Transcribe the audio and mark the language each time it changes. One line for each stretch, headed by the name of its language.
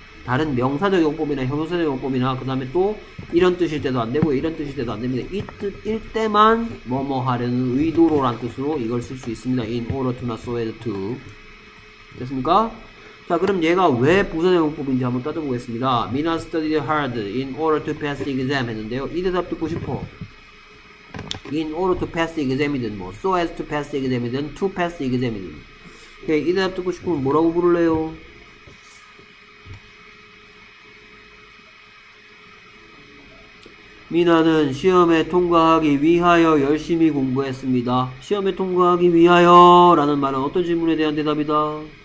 Korean: 다른 명사적 용법이나 형용사적 용법이나 그 다음에 또 이런 뜻일 때도 안 되고 이런 뜻일 때도 안 됩니다. 이 뜻, 일 때만 뭐뭐 하려는 의도로란 뜻으로 이걸 쓸수 있습니다.
English: in order to나 so as to.
Korean: 됐습니까? 자, 그럼 얘가 왜 부사적 용법인지 한번 따져보겠습니다.
English: Mina studied hard in order to pass the exam
Korean: 했는데요. 이 대답 듣고 싶어.
English: in order to pass the exam
Korean: 이든 뭐,
English: so as to pass the exam이든 to pass the exam이든.
Korean: 오케이, 이 대답 듣고 싶으면 뭐라고 부를래요? 미나는 시험에 통과하기 위하여 열심히 공부했습니다. 시험에 통과하기 위하여라는 말은 어떤 질문에 대한 대답이다?